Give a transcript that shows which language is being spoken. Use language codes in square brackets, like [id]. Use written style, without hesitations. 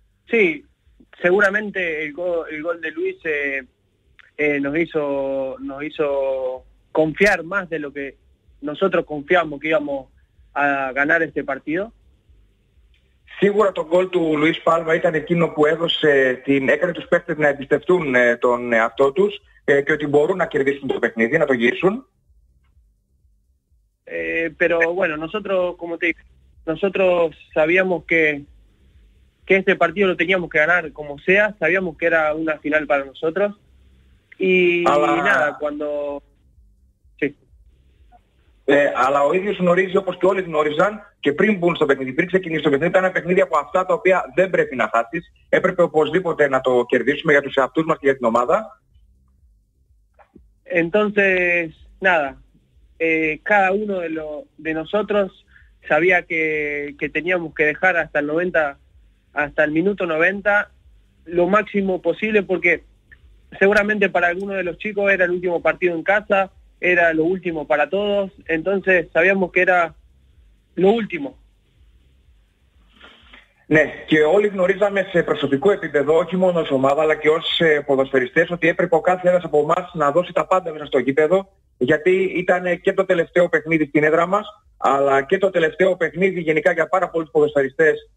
[es] Sí, seguramente el gol de Luis nos hizo confiar más de lo que nosotros confiamos que íbamos a ganar este partido. [el] Σίγουρα το γκολ του Λουίς Πάλμα ήταν εκείνο που έκανε τους παίκτες να εμπιστευτούν τον εαυτό τους και ότι μπορούν να κερδίσουν το παιχνίδι, να το γυρίσουν. [es] Pero bueno, nosotros sabíamos que que este partido lo teníamos que ganar como sea, sabíamos que era una final para nosotros. Y nada, cuando... [el] Αλλά ο ίδιος γνωρίζει, όπως και όλοι γνώριζαν, και πριν μπουν στο παιχνίδι, πριν ξεκινήσει το παιχνίδι, ήταν ένα παιχνίδι από αυτά τα οποία δεν πρέπει να χάσεις. Έπρεπε οπωσδήποτε να το κερδίσουμε για τους εαυτούς μας και για την ομάδα. [es] Entonces, nada, cada uno de nosotros sabía que teníamos que dejar hasta el 90, hasta el minuto 90, lo máximo posible, porque seguramente para alguno de los chicos era el último partido en casa, era lo último para todos, entonces sabíamos que era lo último. [el] Ναι, και όλοι γνωρίζαμε σε προσωπικό επίπεδο, όχι μόνο ως ομάδα αλλά και ως ποδοσφαιριστές, ότι έπρεπε ο κάθε ένας από εμάς να δώσει τα πάντα μέσα στο γήπεδο, γιατί ήταν και το τελευταίο παιχνίδι στην έδρα μας, αλλά και το τελευταίο παιχνίδι γενικά για πάρα πολλούς ποδοσφαιριστές.